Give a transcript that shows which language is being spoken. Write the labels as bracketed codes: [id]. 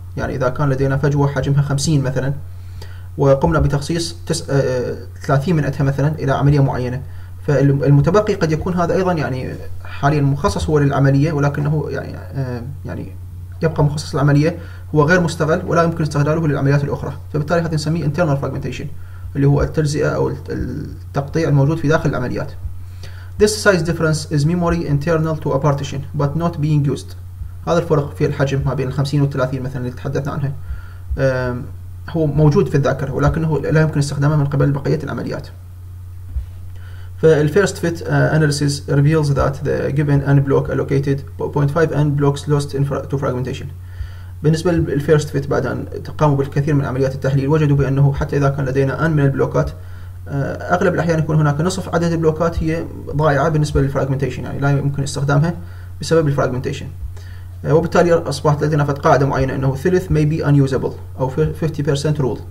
[ar] يعني إذا كان لدينا فجوة حجمها 50 مثلا، وقمنا بتخصيص 30 من أتها مثلا إلى عملية معينة، فالمتبقي قد يكون هذا أيضا يعني حاليا مخصص هو للعملية، ولكنه يعني يبقى مخصص للعملية، هو غير مستغل ولا يمكن استغلاله للعمليات الأخرى، فبالتالي هذا نسميه internal fragmentation، اللي هو التجزئة أو التقطيع الموجود في داخل العمليات. [en] This size difference is memory internal to a partition but not being used. [ar] هذا الفرق في الحجم ما بين 50 و30 مثلا اللي تحدثنا عنها، هو موجود في الذاكرة ولكنه لا يمكن استخدامه من قبل بقية العمليات. [en] فالفيرست fit analysis reveals that the given N block allocated 0.5 N blocks lost to fragmentation. [ar] بالنسبة للفيرست فيت، بعد أن قاموا بالكثير من عمليات التحليل، وجدوا بأنه حتى إذا كان لدينا N من البلوكات، أغلب الأحيان يكون هناك نصف عدد البلوكات هي ضائعة بالنسبة للفراجمنتيشن، يعني لا يمكن استخدامها بسبب الفراجمنتيشن، وبالتالي أصبحت لدينا فت قاعدة معينة أنه ثلث [en] may be unusable [ar] أو 50% rule.